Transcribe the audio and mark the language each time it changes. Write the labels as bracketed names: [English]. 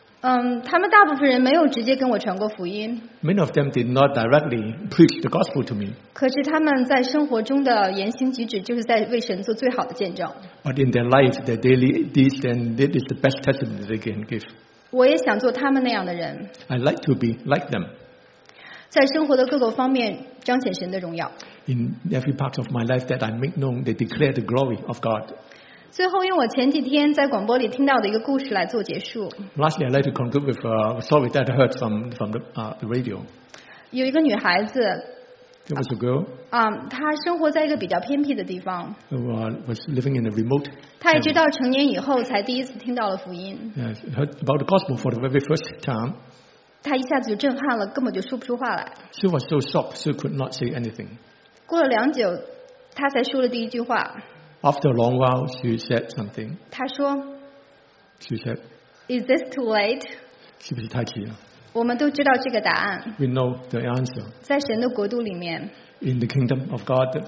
[Chinese] 他们大部分人没有直接跟我传过福音。 [English] Many of them did not directly preach the gospel to me. [Chinese] 可是他们在生活中的言行举止就是在为神做最好的见证。 [English] But in their life, their daily deeds, then that is the best testimony they can give. [Chinese] 我也想做他们那样的人。 [English] I like to be like them. [Chinese] 在生活的各个方面彰显神的荣耀。 [English] In every part of my life that I make known, they declare the glory of God. [Chinese] 最后用我前几天在广播里听到的一个故事来做结束。 [English] Lastly, I'd like to conclude with a story that I heard from the radio. [Chinese] 有一个女孩子。 [English] It was a girl. [Chinese] 她生活在一个比较偏僻的地方。 [English] Was living in a remote. [Chinese] 她一直到成年以后才第一次听到了福音。 [English] Yes, heard about the gospel for the very first time. [Chinese] 她一下子就震撼了，根本就说不出话来。 [English] She was so shocked, she could not say anything. [Chinese] 过了良久，她才说了第一句话。 [English] After a long while, she said something. [Chinese] 她说 [English] She said, Is this too late? [Chinese] 是不是太迟了？我们都知道这个答案。 [English] We know the answer. [Chinese] 在神的国度里面。 [English] In the kingdom of God.